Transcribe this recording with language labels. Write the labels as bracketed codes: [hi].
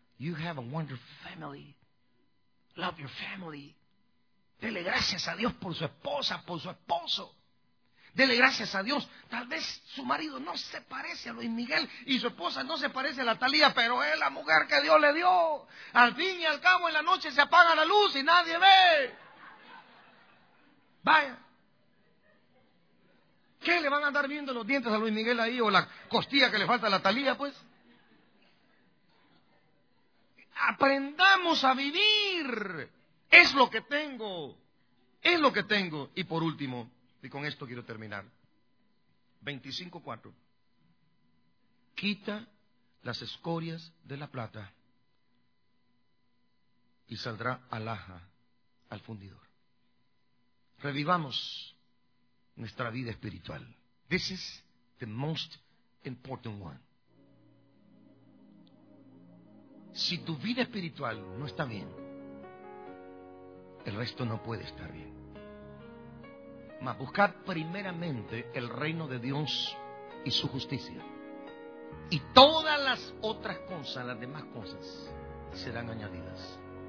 [en] You have a wonderful family. Love your family. [es] Dele gracias a Dios por su esposa, por su esposo. Dele gracias a Dios. Tal vez su marido no se parece a Luis Miguel y su esposa no se parece a la Thalía, pero es la mujer que Dios le dio. Al fin y al cabo, en la noche se apaga la luz y nadie ve. Vaya. ¿Qué le van a andar viendo los dientes a Luis Miguel ahí o la costilla que le falta a la Thalía, pues? Aprendamos a vivir. Es lo que tengo. Es lo que tengo. Y por último, y con esto quiero terminar, 25:4. Quita las escorias de la plata y saldrá alhaja al fundidor. Revivamos nuestra vida espiritual. [en] This is the most important one. [es] Si tu vida espiritual no está bien, el resto no puede estar bien. Mas buscad primeramente el reino de Dios y su justicia. Y todas las otras cosas, las demás cosas, serán añadidas.